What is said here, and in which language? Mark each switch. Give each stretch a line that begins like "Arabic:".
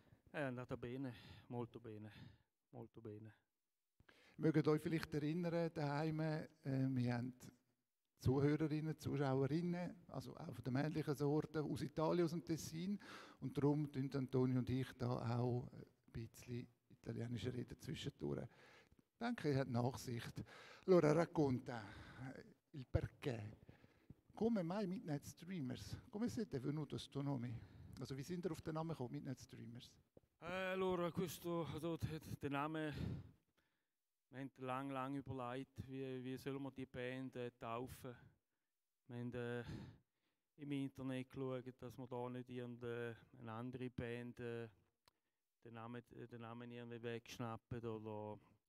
Italian: È andata bene, molto bene, molto bene.
German: Mögt euch vielleicht erinnern, daheim, wir haben Zuhörerinnen, Zuschauerinnen, also auch von den männlichen Sorten, aus Italien, aus dem Tessin. Und darum tun Antonio und ich da auch ein bisschen italienische Reden zwischendurch. Danke, ihr habt Nachsicht.
Italian: Allora, racconta il perché. Come mai Midnight Streamers? Come siete venuto questo nome?
German: Also, wie sind ihr auf den Namen gekommen, Midnight Streamers?
Italian: Allora, questo,
German: also, der Name, wir haben lang, lang überlegt, wie sollen wir die Band taufen. Wir haben im Internet geschaut, dass wir da nicht irgendeine andere Band den Namen irgendwie wegschnappen oder.